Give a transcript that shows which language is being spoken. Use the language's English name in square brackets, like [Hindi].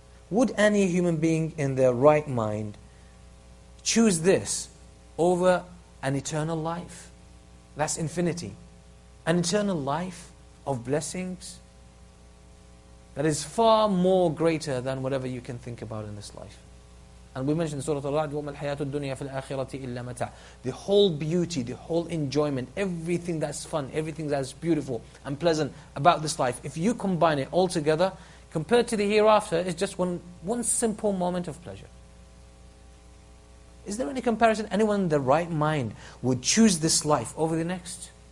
[English] Would any human being in their right mind choose this over an eternal life? That's infinity. An eternal life of blessings that is far more greater than whatever you can think about in this life. And we mentioned Surah Al-Ra'd, [Arabic] وَمَا الْحَيَاةُ الدُّنْيَا فِي الْآخِرَةِ إِلَّا مَتَعَ. [English] The whole beauty, the whole enjoyment, everything that's fun, everything that's beautiful and pleasant about this life, if you combine it all together, compared to the hereafter, it's just one simple moment of pleasure. Is there any comparison? Anyone in their right mind would choose this life over the next?